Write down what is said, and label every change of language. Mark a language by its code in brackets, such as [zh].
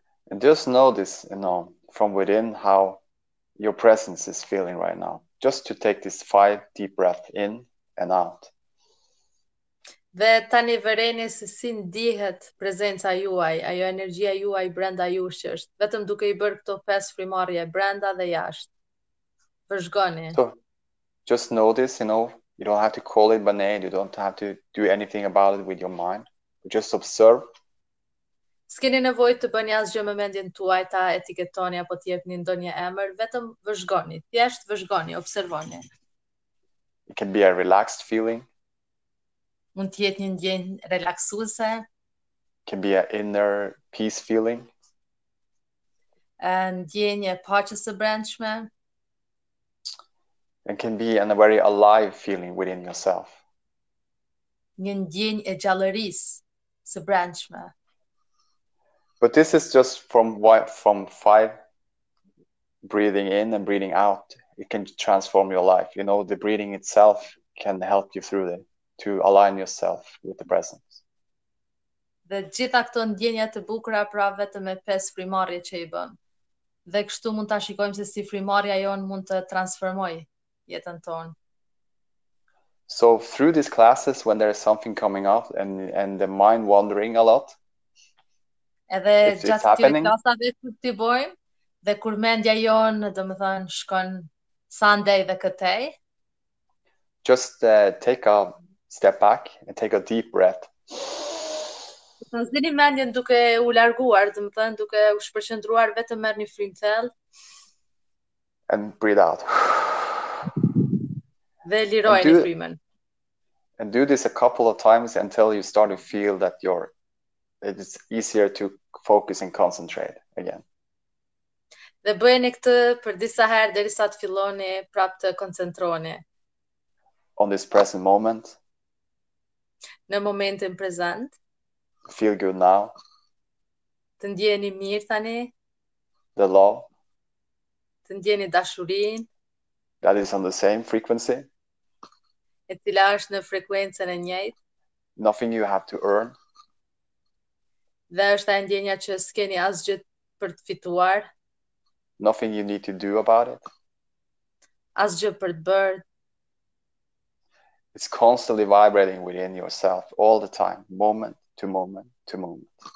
[en] And just notice, you know, from within how your presence is feeling right now. Just to take this 5 deep breath in and out. [sq] Dhe tani vëreni se si ndihet prezenca juaj, ajo energjia juaj brenda jush është, vetëm duke I bërë këto 5 frymarrje brenda dhe jashtë. Vëzhgoni. [en] So, just notice, you know, you don't have to call it by name, you don't have to do anything about it with your mind. Just observe. [sq] S'keni nevojë të bëni asgjë me mendjen tuaj, ta etiketoni apo të jepni ndonjë emër, vetëm vëzhgoni, thjesht vëzhgoni, observoni. [en] It can be a relaxed feeling. [sq] Mund të jetë një ndjenjë relaksuese. [en] Can be an inner peace feeling. [sq] And ndjenjë paqes së brendshme. [en] And can be a very alive feeling within yourself. [sq] Një ndjenjë e gjallërisë së brendshme. [en] But this is just from 5 breathing in and breathing out. It can transform your life. You know, the breathing itself can help you through it. To align yourself with the presence. [sq] Dhe gjitha këto ndjenja të bukura pra vetëm me 5 frymarrje që I bën. Dhe kështu mund ta shikojmë se si frymarrja jonë mund të transformojë jetën tonë. [en] So through these classes when there is something coming up and the mind wandering a lot. [sq] Edhe [en] it's happening. [sq] Klasave që ti bojmë dhe kur mendja jonë domethënë shkon Sunday dhe këtej. [en] Just take a step back and take a deep breath. [sq] Zini mendjen duke u larguar, dhe më thënë, duke u shpërqendruar vetëm merë një frymë thellë. [en] And breathe out. [sq] Dhe liroj një frymën. [en] And do this a couple of times until you start to feel that it's easier to focus and concentrate again. [sq] Dhe bëjeni këtë për disa herë derisa të filloni prapë të koncentroni. [en] On this present moment. [sq] Në momentin prezent. [en] Feel good now. [sq] Të ndjeni mirë tani. [en] The love. [sq] Të ndjeni dashurinë. [en] That is on the same frequency. [sq] E cila është në frekuencën e njëjtë. [en] Nothing you have to earn. [sq] Dhe është ajo ndjenja që s'keni asgjë për të fituar. [en] Nothing you need to do about it. [sq] Asgjë për të bërë. [en] It's constantly vibrating within yourself all the time, moment to moment to moment.